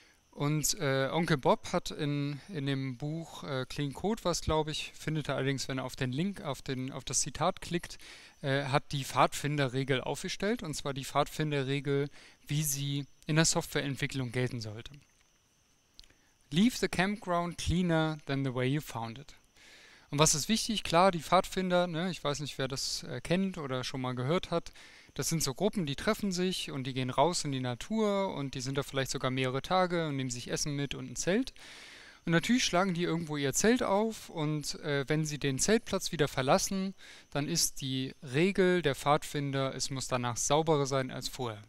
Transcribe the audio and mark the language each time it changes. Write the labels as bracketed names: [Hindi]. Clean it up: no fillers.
[German] Und Onkel Bob hat in dem Buch Clean Code, was glaube ich, findet er allerdings, wenn er auf den Link, auf das Zitat klickt, hat die Pfadfinderregel aufgestellt, und zwar die Pfadfinderregel, wie sie in der Softwareentwicklung gelten sollte. [English] Leave the campground cleaner than the way you found it. [German] Und was ist wichtig? Klar, die Pfadfinder, ne, ich weiß nicht, wer das kennt oder schon mal gehört hat. Das sind so Gruppen, die treffen sich und die gehen raus in die Natur und die sind da vielleicht sogar mehrere Tage und nehmen sich Essen mit und ein Zelt. Und natürlich schlagen die irgendwo ihr Zelt auf und wenn sie den Zeltplatz wieder verlassen, dann ist die Regel der Pfadfinder, es muss danach sauberer sein als vorher.